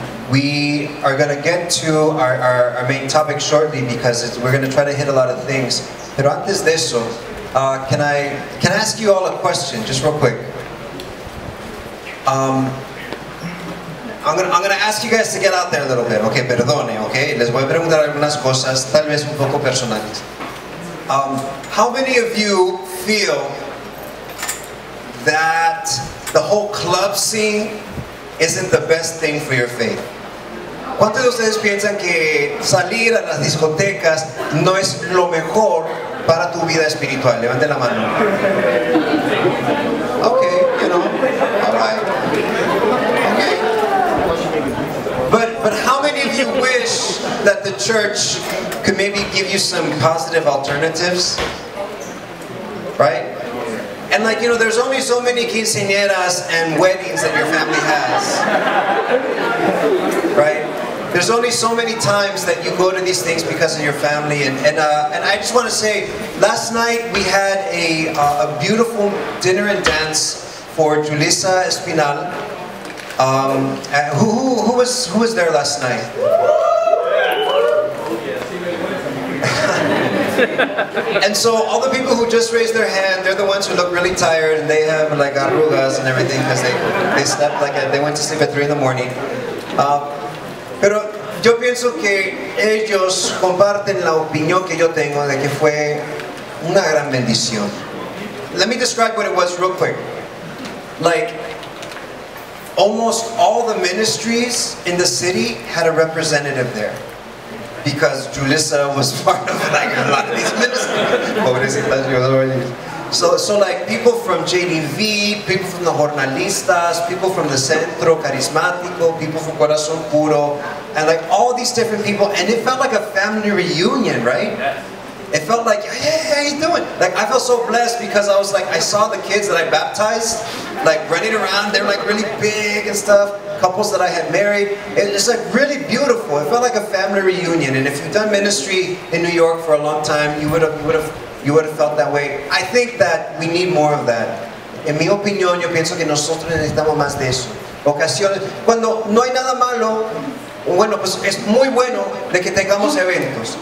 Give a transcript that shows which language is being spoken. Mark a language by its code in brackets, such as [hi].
[en] We are going to get to our main topic shortly because we're going to try to hit a lot of things. [es] Pero antes de eso, [en] can I ask you all a question, just real quick? I'm gonna ask you guys to get out there a little bit. [es] Okay, perdone, okay? Les voy a preguntar algunas cosas, tal vez un poco personales. [en] How many of you feel that the whole club scene isn't the best thing for your faith? [es] ¿Cuántos de ustedes piensan que salir a las discotecas no es lo mejor para tu vida espiritual? Levanten la mano. [en] Okay, you know, all right. Okay. But how many of you wish that the church could maybe give you some positive alternatives? Right? And like, you know, there's only so many quinceañeras and weddings that your family has. Right? There's only so many times that you go to these things because of your family. And I just want to say, last night we had a beautiful dinner and dance for Julissa Espinal. Who was there last night? And so all the people who just raised their hand, they're the ones who look really tired and they have like arrugas and everything because they slept like they went to sleep at 3 in the morning. [es] Pero yo pienso que ellos comparten la opinión que yo tengo de que fue una gran bendición. [en] Let me describe what it was real quick. Like, almost all the ministries in the city had a representative there. Because Julissa was part of like a lot of these ministries. So like people from JDV, people from the Jornalistas, people from the Centro Carismático, people from Corazón Puro, and like all these different people, and it felt like a family reunion, right? Yes. It felt like, hey, how you doing? Like, I felt so blessed because I was like, I saw the kids that I baptized, like running around, they're like really big and stuff, couples that I had married. It's like really beautiful. It felt like a family reunion, and if you've done ministry in New York for a long time, you would have felt that way. I think that we need more of that. [es] En mi opinión, yo pienso que nosotros necesitamos más de eso. Ocasiones, cuando no hay nada malo, bueno, pues es muy bueno de que tengamos eventos.